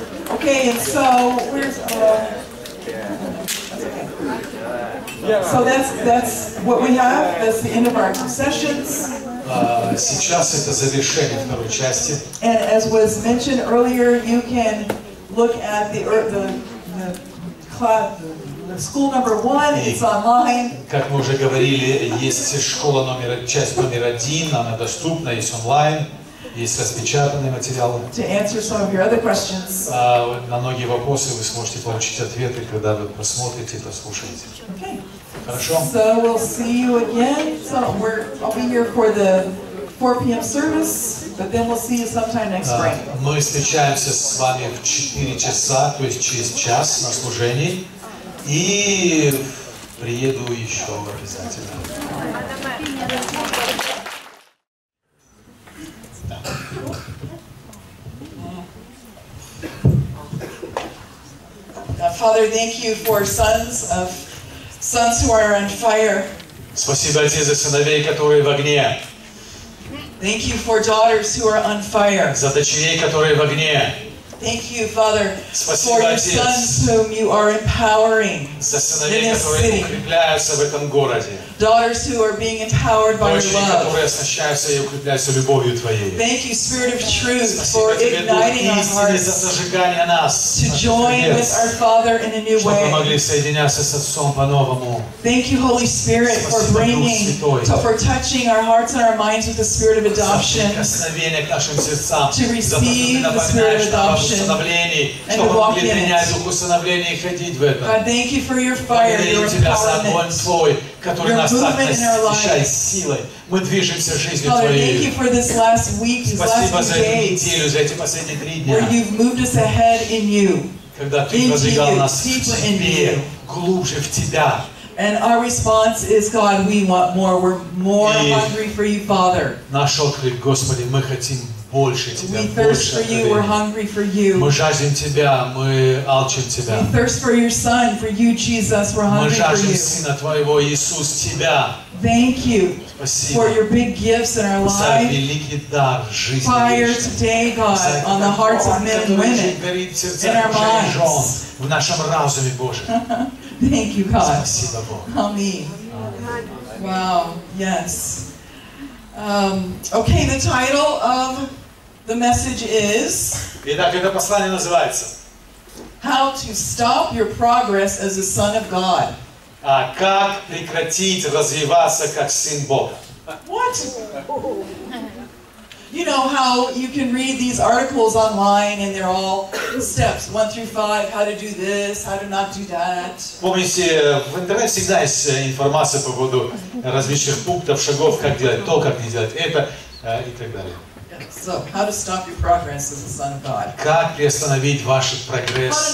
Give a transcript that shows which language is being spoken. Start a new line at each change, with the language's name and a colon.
English: Okay, and so where's So that's what we have. That's the end of our sessions.
Russian: Сейчас это завершение второй части.
English: And as was mentioned earlier, you can look at the school number 1. It's online.
Russian: Как мы уже говорили, есть школа номер часть номер 1, она доступна, есть онлайн. Есть распечатанные материалы.
English: To answer some of your other questions.
Russian: На многие вопросы вы сможете получить ответы, когда вы просмотрите и послушаете.
English: Okay.
Russian: Хорошо.
English: So we'll see you again. So I'll be here for the 4 p.m. service, but then we'll see you sometime next spring.
Russian: Мы встречаемся с вами в 4 часа, то есть через час на служении, и приеду еще обязательно.
English: Thank you. Father, thank you for sons who are on fire.
Russian: Спасибо, Отец, за сыновей, которые в огне.
English: Thank you for daughters who are on fire.
Russian: За дочерей, которые в огне.
English: Thank you, Father,
Russian: спасибо,
English: for
Russian: Отец,
English: your sons whom you are empowering за сыновей, in this city.
Russian: Укрепляются в этом городе.
English: Daughters who are being empowered by
Russian: дочери,
English: your love.
Russian: Которые оснащаются и укрепляются любовью твоей.
English: Thank you, Spirit of Truth,
Russian: спасибо
English: for igniting
Russian: тебе,
English: our hearts
Russian: за зажигание нас,
English: to join
Russian: сердец,
English: with our Father in a new
Russian: чтобы
English: way.
Russian: Мы могли соединяться с Отцом по-новому.
English: Thank you, Holy Spirit,
Russian: спасибо,
English: for bringing, to, for touching our hearts and our minds with the Spirit of Adoption,
Russian: сердцам,
English: to receive the Spirit of Adoption. And to walk in it. God, thank you for your fire, your empowerment, your movement in our lives.
Russian: Мы движемся жизнью
English: Father,
Russian: Твоей.
English: Thank you for this last week, this
Russian: спасибо
English: last few days,
Russian: эту неделю, за эти последние три дня,
English: where you've moved us ahead in you,
Russian: когда Ты продвигал нас в Тебе, глубже в Тебя.
English: And our response is, God, we want more. We're more hungry for you, Father.
Russian: Наш отклик, Господи, мы хотим больше тебя,
English: we thirst
Russian: больше
English: for you, we're hungry for you.
Russian: Мы жаждем тебя, мы алчим тебя.
English: We thirst for your Son, for you, Jesus, we're hungry
Russian: мы жаждем
English: for you.
Russian: Сына твоего, Иисус, тебя.
English: Thank you
Russian: спасибо.
English: For your big gifts in our lives.
Russian: За великий дар жизни.
English: Fire today, God,
Russian: за
English: on the hearts of men and women,
Russian: сердца,
English: in our minds,
Russian: жен, в нашем разуме, Боже.
English: Thank you, God.
Russian: Спасибо, Бог.
English: Amen. Wow. Yes. Okay, the title of the message is.
Russian: Итак, это послание называется.
English: How to stop your progress as a son of God.
Russian: А как прекратить развиваться как сын Бога?
English: What? You know how you can read these articles online, and they're all steps 1-5. How to do this? How to not do that?
Russian: Помните, в интернете всегда есть информация по поводу различных пунктов, шагов, как делать то, как не делать это, и так далее.
English: So, how to stop your progress as a son of God?
Russian: Как приостановить ваш прогресс